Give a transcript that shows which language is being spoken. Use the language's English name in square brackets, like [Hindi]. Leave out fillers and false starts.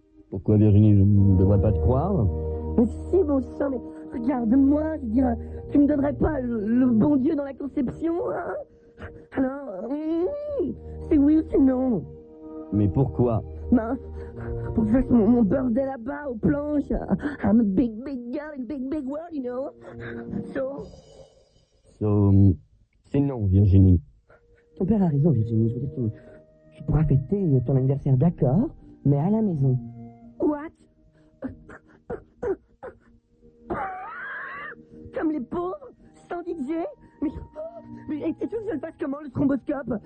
[French] Pourquoi, Virginie, je ne devrais pas te croire? Mais si, bon sang, mais regarde-moi, je veux dire, tu me donnerais pas le bon Dieu dans la conception, hein? Alors, c'est oui ou c'est non? Mais pourquoi? Ben, pour que je fasse mon birthday là-bas, aux planches. [English] I'm a big, big girl in a big, big world, you know? So, [French] c'est non, Virginie. Ton père a raison, Virginie, je veux dire que... Tu pourras fêter ton anniversaire, d'accord, mais à la maison. [English] What? [French] Comme les pauvres, sans DJ? Mais et tout, je le passe comment, le thromboscope?